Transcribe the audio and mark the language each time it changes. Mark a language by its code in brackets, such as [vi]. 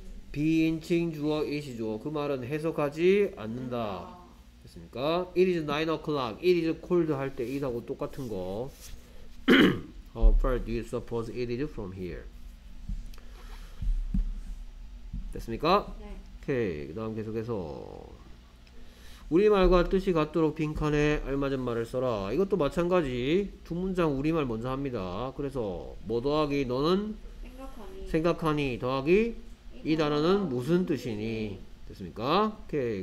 [ko] be인칭 주어 it이죠. 그 말은 해석하지 않는다. 됐습니까? [en] It is 9 o'clock. It is cold [ko] 할 때 [en] it [ko] 하고 똑같은 거. [en] How far do you suppose it is from here? [ko] 됐습니까? 네. 오케이. 그 다음 계속해서 우리말과 뜻이 같도록 빈칸에 알맞은 말을 써라. 이것도 마찬가지. 두 문장 우리말 먼저 합니다. 그래서 뭐 더하기 너는? 생각하니. 더하기? 이 단어는 무슨 뜻이니? 됐습니까? 오케이.